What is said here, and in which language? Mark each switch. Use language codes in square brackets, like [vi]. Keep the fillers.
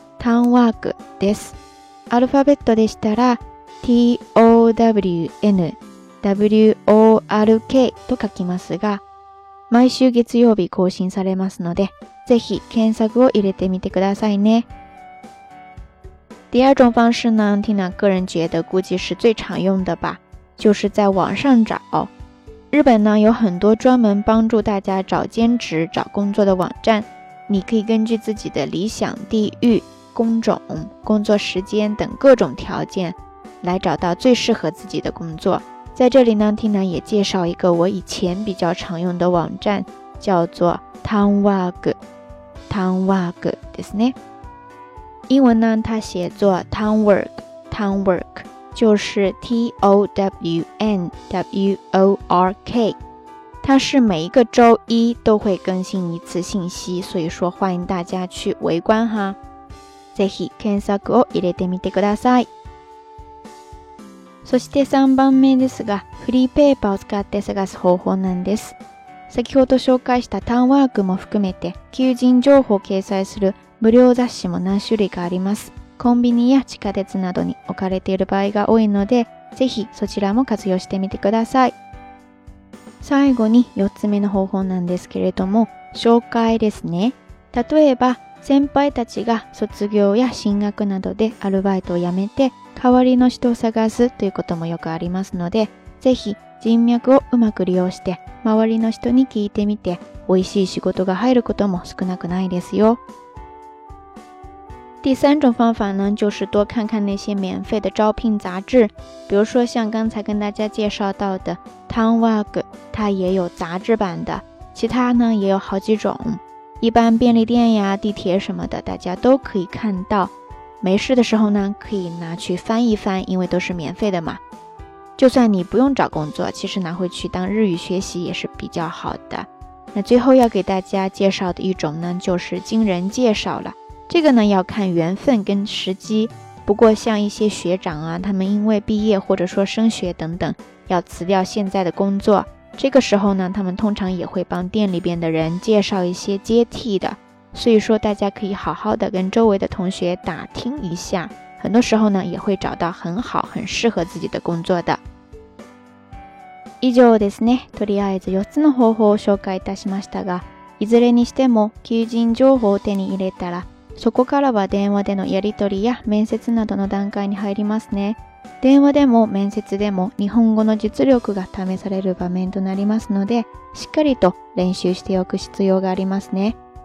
[ja] ターンワークです。アルファベットでしたら TOWNWORK と書きますが、毎週月曜日更新されますので、ぜひ検索を入れてみてくださいね。 [zh] 第二种方式呢，听娜个人觉得估计是最常用的吧，就是在网上找。日本呢有很多专门帮助大家找兼职、找工作的网站，你可以根据自己的理想地域、工种、工作时间等各种条件，来找到最适合自己的工作。在这里呢，听娜也介绍一个我以前比较常用的网站，叫做 t o w n w a r t o w n w a g [ja] ですね。 [zh] 英文呢，它写作 townwork，townwork 就是 t o w n w o r k，它是每一个周一都会更新一次信息，所以说欢迎大家去围观哈。 [ja] ぜひ検索を入れてみてください。そして3番目ですが、フリーペーパーを使って探す方法なんです。先ほど紹介したターンワークも含めて、求人情報を掲載する無料雑誌も何種類かあります。コンビニや地下鉄などに置かれている場合が多いので、ぜひそちらも活用してみてください。最後に4つ目の方法なんですけれども、紹介ですね。例えば、先輩たちが卒業や進学などでアルバイトを辞めて、代わりの人を探すということもよくありますので、ぜひ人脈をうまく利用して、周りの人に聞いてみて、美味しい仕事が入ることも少なくないですよ。 [zh] 第三种方法呢，就是多看看那些免费的招聘杂志，比如说像刚才跟大家介绍到的《t n w a g 它也有杂志版的，其他呢也有好几种。一般便利店呀、地铁什么的，大家都可以看到。没事的时候呢，可以拿去翻一翻，因为都是免费的嘛。就算你不用找工作，其实拿回去当日语学习也是比较好的。那最后要给大家介绍的一种呢，就是经人介绍了。这个呢要看缘分跟时机。不过像一些学长啊，他们因为毕业或者说升学等等，要辞掉现在的工作，这个时候呢，他们通常也会帮店里边的人介绍一些接替的。所以说，大家可以好好的跟周围的同学打听一下，很多时候呢，也会找到很好很适合自己的工作的。 [ja] 以上ですね。とりあえず4つの方法を紹介いたしましたが、いずれにしても求人情報を手に入れたら。そこからは電話でのやり取りや面接などの段階に入りますね。電話でも面接でも日本語の実力が試される場面となりますので、しっかりと練習しておく必要がありますね。